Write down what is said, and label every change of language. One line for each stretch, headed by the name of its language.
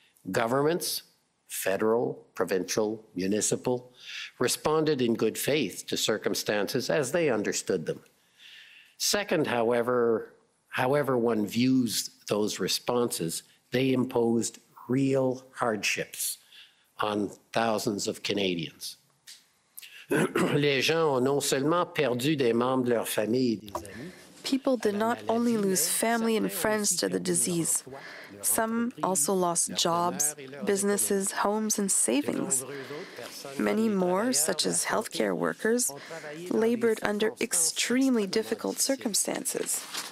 English: Governments, federal, provincial, municipal, responded in good faith to circumstances as they understood them. Second, however one views those responses, they imposed real hardships on thousands of Canadians.
French: Les gens ont non seulement perdu des membres de leur famille, des amis.
English: People did not only lose family and friends to the disease. Some also lost jobs, businesses, homes, and savings. Many more, such as healthcare workers, labored under extremely difficult circumstances.